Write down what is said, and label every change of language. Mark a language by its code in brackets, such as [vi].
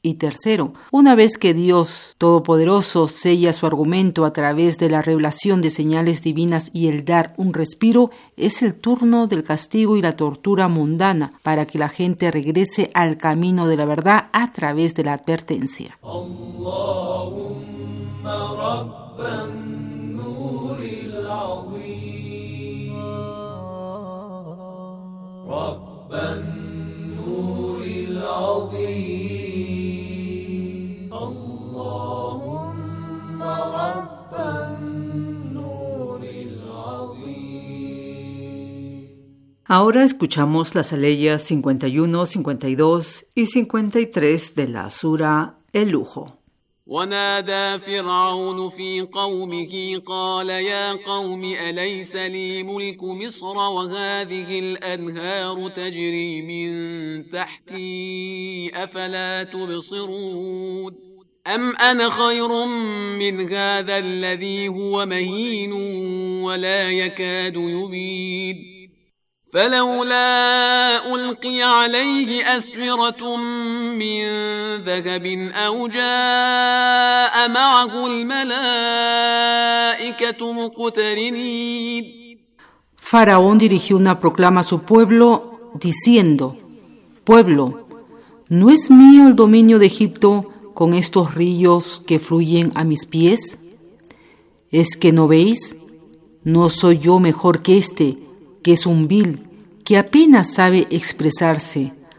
[es] Y tercero, una vez que Dios Todopoderoso sella su argumento a través de la revelación de señales divinas y el dar un respiro, es el turno del castigo y la tortura mundana para que la gente regrese al camino de la verdad a través de la advertencia. [ar] Allahumma Rabban Nuril Azim رب النور العظيم اللهم رب النور العظيم. [es] Ahora escuchamos las aleyas 51, 52 y 53 de la sura El Lujo. [ar] ونادى فرعون في قومه قال يا قوم أليس لي ملك مصر وهذه الأنهار تجري من تحتي أفلا تبصرون أم أنا خير من هذا الذي هو مهين ولا يكاد يبين فلولا ألقي عليه أسمرة من ذهب أو جاء معه الملائكة مقترنين. [es] Faraón dirigió una proclama a su pueblo diciendo: Pueblo, ¿no es mío el dominio de Egipto con estos ríos que fluyen a mis pies? ¿Es que no veis? ¿No soy yo mejor que este, que es un vil, que apenas sabe expresarse?